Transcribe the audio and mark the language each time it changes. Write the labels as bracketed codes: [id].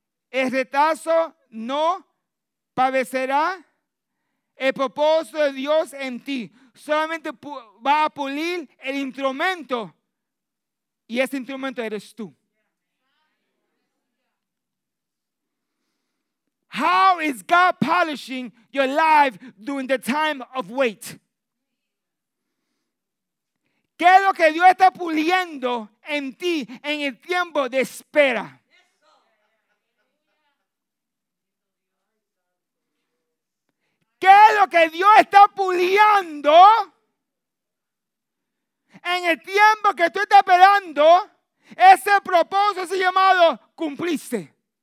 [es] El retraso no padecerá el propósito de Dios en ti. Solamente va a pulir el instrumento, y ese instrumento eres tú. [en] How is God polishing your life during the time of wait? [es] ¿Qué es lo que Dios está puliendo en ti en el tiempo de espera? ¿Qué es lo que Dios está puliendo en el tiempo que tú estás esperando ese propósito, ese llamado, cumpliste?